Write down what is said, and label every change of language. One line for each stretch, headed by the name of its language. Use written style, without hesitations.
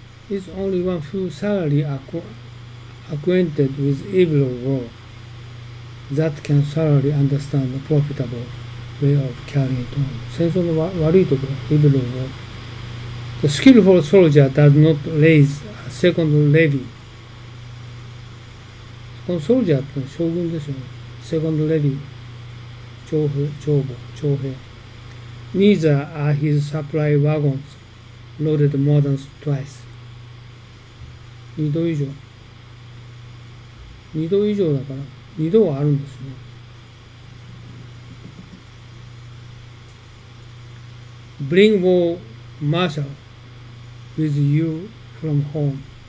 English: It's only one who is thoroughly acquainted with evil of war that can thoroughly understand the profitable way of carrying it on.
Japanese: 戦争の悪いところ、
English: evil of war. The skillful soldier does not raise a second levy.
Japanese: このソルジャーってのは将軍ですよね。
English: Second levy. 徴兵。 Neither are his supply wagons loaded more than twice.
Japanese: 二度以上だから、二度はあるんですね。
English: Bring war marshal. With you from home.